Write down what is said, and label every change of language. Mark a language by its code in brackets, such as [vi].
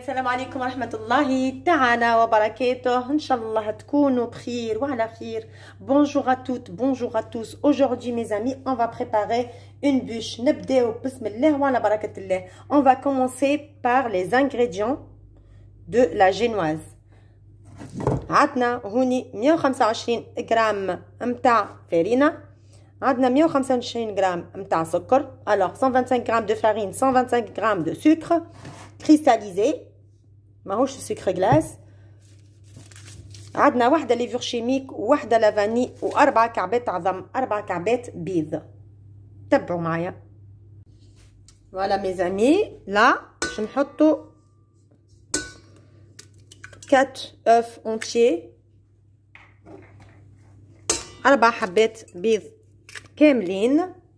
[ar] السلام عليكم ورحمة الله تعالى وبركاته. إن شاء الله تكونوا بخير وعلى خير. [fr] بونجور à toutes, بونجور à tous. Aujourd'hui mes amis, on va préparer une bûche. [ar] نبدأ بسم الله وعلى بركة الله. [fr] On va commencer par les ingrédients de la génoise. [ar] عندنا هوني 125 غرام متاع فارينة. عندنا 125 غرام متاع سكر. [fr] alors 125 غرام de farine, 125 غرام de sucre cristallisé, [ar] ماهوش سكر غلاس. عندنا واحدة ليفور شيميك, واحدة لافاني, وأربعة كعبات عظم, أربعة كعبات بيض. تبعوا معايا. [fr] voilà mes amis, là je m'hotto 4 œufs entiers, [ar] 4 حبات بيض كاملين,